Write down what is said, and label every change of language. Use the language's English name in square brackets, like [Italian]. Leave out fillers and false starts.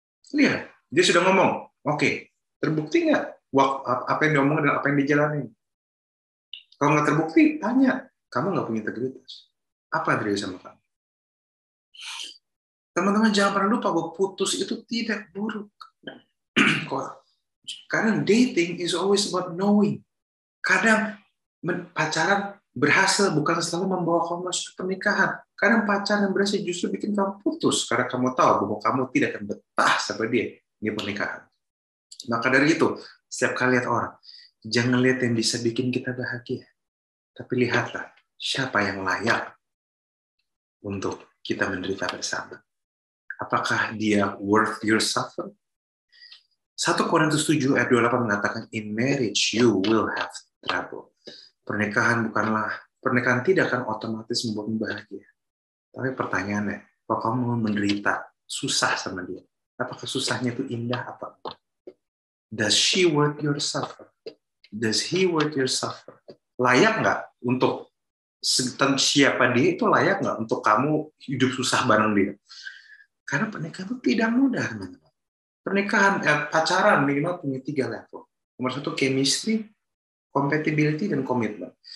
[Indonesian] Lihat dia sudah ngomong, oke, terbukti nggak apa yang diomongin dan apa yang dijalani? Kalau nggak terbukti, tanya, kamu nggak punya integritas. Apa terjadi sama kamu? Teman-teman, jangan pernah lupa bahwa putus itu tidak buruk. Karena [English] dating is always about knowing. [Indonesian] Kadang pacaran berhasil bukan selalu membawa kamu masuk ke pernikahan. Kadang pacaran berhasil justru bikin kamu putus. Karena kamu tahu bahwa kamu tidak akan betah sama dia di pernikahan. Maka dari itu, setiap kali lihat orang, jangan lihat yang bisa bikin kita bahagia. Tapi lihatlah siapa yang layak untuk kita menderita bersama. Apakah dia [English] worth your suffer? [Indonesian] 1 Korintus 7 ayat 28 mengatakan, [English] in marriage you will have trouble. [Indonesian] Pernikahan tidak akan otomatis membuatmu bahagia. Tapi pertanyaannya, kalau kamu mau menderita, susah sama dia, apakah susahnya itu indah apa? [English] Does she worth your suffer? Does he worth your suffer? [Indonesian] Layak nggak untuk siapa dia itu layak nggak untuk kamu hidup susah bareng dia? Karena pernikahan itu tidak mudah, teman-teman. Pernikahan, pacaran minimal punya 3 level. Nomor 1, chemistry, compatibility, dan commitment.